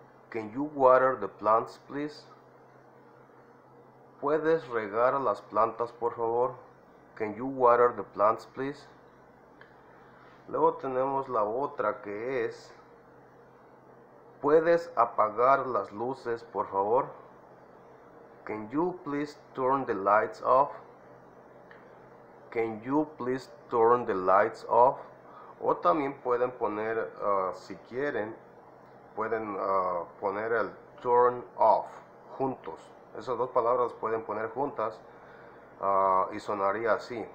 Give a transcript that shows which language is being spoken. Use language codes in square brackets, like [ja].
[en] Can you water the plants, please? [es] ¿Puedes regar las plantas, por favor? [en] Can you water the plants, please? [es] Luego tenemos la otra que es, ¿puedes apagar las luces, por favor? [en] Can you please turn the lights off? Can you please turn the lights off? [es] O también pueden poner, si quieren, pueden poner el turn off juntos. Esas dos palabras pueden poner juntas y sonaría así.